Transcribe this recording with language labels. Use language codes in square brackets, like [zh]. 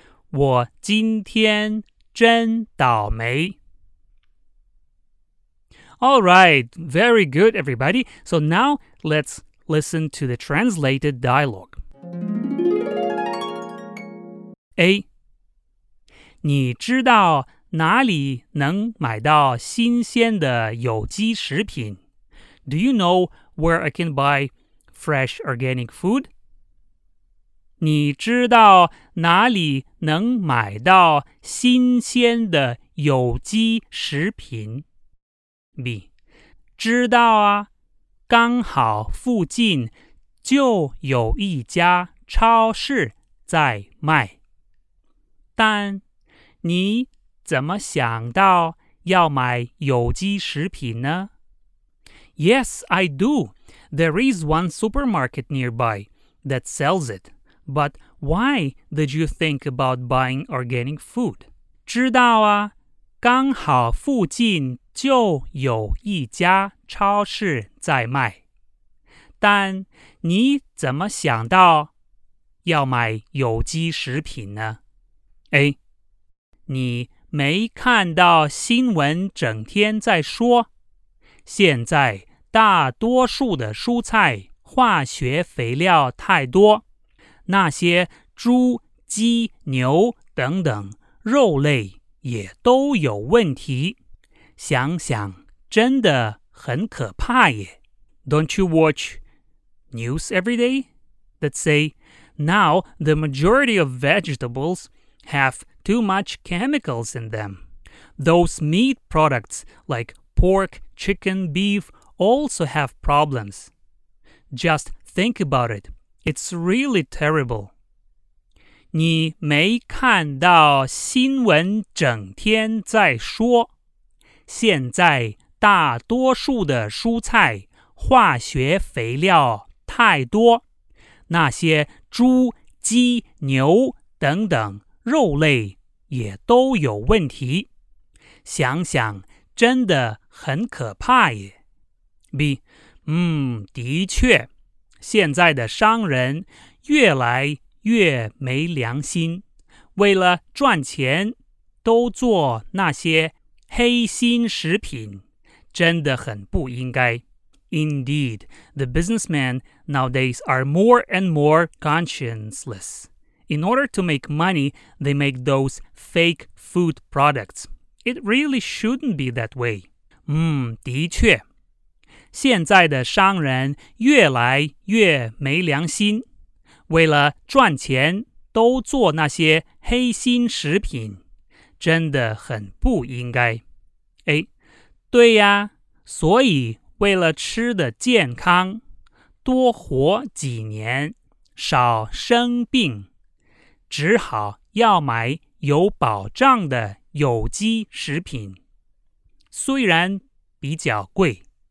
[zh] 我今天真倒霉。 [en] All right, very good, everybody. So now let's listen to the translated dialogue. A. [zh] 你知道哪里能买到新鲜的有机食品? [en] Do you know where I can buy fresh organic food? [zh] 你知道哪里能买到新鲜的有机食品? [en] B. [zh] 知道啊,刚好附近就有一家超市在卖。但你怎么想到要买有机食品呢? [en] Yes, I do. There is one supermarket nearby that sells it. But why did you think about buying organic food? [zh] 知道啊,刚好附近就有一家超市在卖。但你怎么想到要买有机食品呢? [en] A. [zh] 你没看到新闻整天在说,现在大多数的蔬菜化学肥料太多。那些猪、鸡、牛等等肉类也都有问题。想想真的很可怕耶。 [en] Don't you watch news every day that say, now the majority of vegetables have too much chemicals in them. Those meat products like pork, chicken, beef also have problems. Just think about it. It's really terrible. [zh] 你没看到新闻整天在说,现在大多数的蔬菜化学肥料太多,那些猪、鸡、牛等等肉类也都有问题。想想真的很可怕耶。 B. 的确。现在的商人越来越没良心，为了赚钱都做那些黑心食品，真的很不应该。 [en] Indeed, the businessmen nowadays are more and more conscienceless. In order to make money, they make those fake food products. It really shouldn't be that way. [zh] 的确。现在的商人越来越没良心，为了赚钱都做那些黑心食品，真的很不应该。 [en] A. [zh] 对呀，所以为了吃的健康，多活几年，少生病，只好要买有保障的有机食品，虽然比较贵。